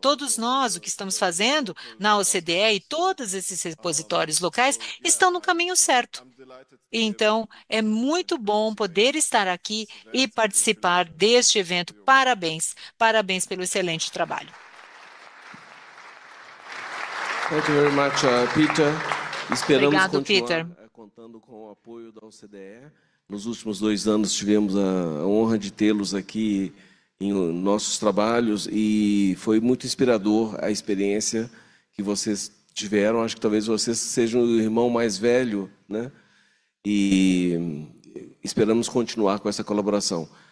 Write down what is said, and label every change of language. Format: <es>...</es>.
<pt>Todos nós, o que estamos fazendo na OCDE e todos esses repositórios locais estão no caminho certo. Então, é muito bom poder estar aqui e participar deste evento. Parabéns. Parabéns pelo excelente trabalho.</pt> <en>Thank you very much, Peter.</en> <pt>Esperamos Obrigado, continuar Peter. Contando com o apoio da OCDE. Nos últimos 2 anos, tivemos a honra de tê-los aqui em nossos trabalhos e foi muito inspirador a experiência que vocês tiveram. Acho que talvez vocês sejam o irmão mais velho, né? E esperamos continuar com essa colaboração.</pt>